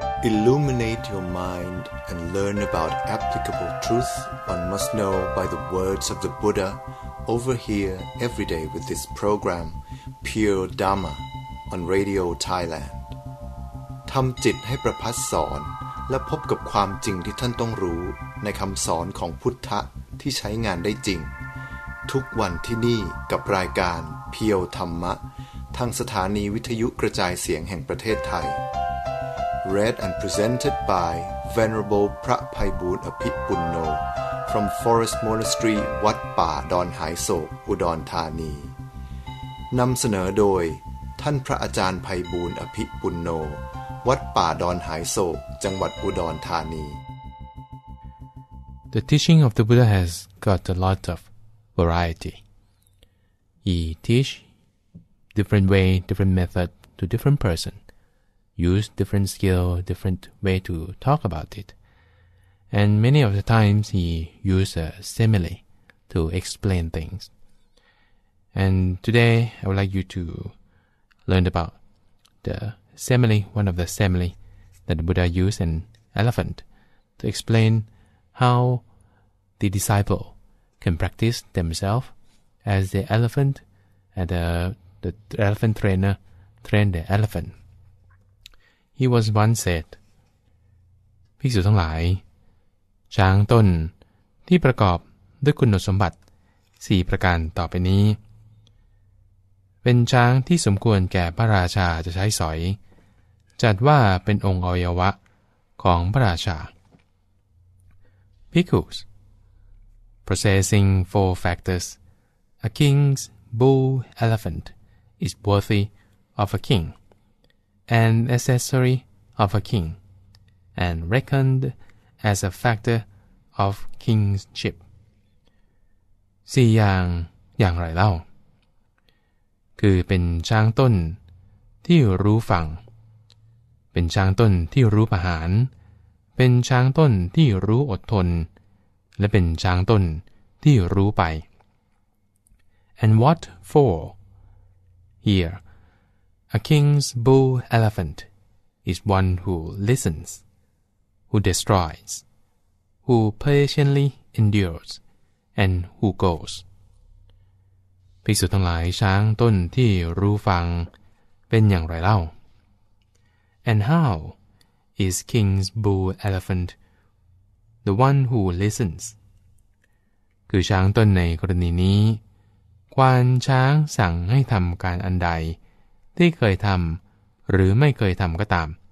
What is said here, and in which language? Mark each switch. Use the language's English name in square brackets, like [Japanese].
[English] Illuminate your mind and learn about applicable truth one must know by the words of the Buddha over here every day with this program, Pure Dharma, on Radio Thailand. [Thai] ทำจิตให้ประพัสสอนและพบกับความจริงที่ท่านต้องรู้ในคำสอนของพุทธะที่ใช้งานได้จริงทุกวันที่นี่กับรายการเพียวธรรมะทางสถานีวิทยุกระจายเสียงแห่งประเทศไทย [English] Read and presented by Venerable [Thai] พระไพบูลย์อภิปุณโญ [English] from Forest Monastery [Thai] วัดป่าดอนหายโศกอุดรธานีนำเสนอโดยท่านพระอาจารย์ไพบูลย์อภิปุณโญวัดป่าดอนหายโศกจังหวัดอุดรธานี [English] The teaching of the Buddha has got a lot of variety. He teach different way, different method to different person, use different skill, different way to talk about it. And many of the times he use a simile to explain things. And today I would like you to learn about the simile, one of the simile that the Buddha used, an elephant, to explain how the disciple can practice themselves as the elephant and the elephant trainer trained the elephant. He was once said, [Thai] ภิกษุทั้งหลายช้างต้นที่ประกอบด้วยคุณสมบัติ4ประการต่อไปนี้ เป็นช้างที่สมควรแก่พระราชาจะใช้สอยจัดว่าเป็นองค์อวัยวะของพระราชาภิกษุ [English] Possessing four factors, a king's bull elephant is worthy of a king, an accessory of a king, and reckoned as a factor of kingship. [Thai] สี่อย่างอย่างไรเล่าคือเป็นช้างต้นที่รู้ฝั่งเป็นช้างต้นที่รู้ประหารเป็นช้างต้นที่รู้อดทนและเป็นช้างต้นที่รู้ไป [English] And what for? Here, a king's bull elephant is one who listens, who destroys, who patiently endures, and who goes. [Thai] ภิกษุทั้งหลายช้างต้นที่รู้ฟังเป็นอย่างไรเล่า [English] And how is king's bull elephant the one who listens? [Thai] คือช้างต้นในกรณีนี้ควานช้างสั่งให้ทำการอันใดที่เคยทำหรือไม่เคยทำก็ตาม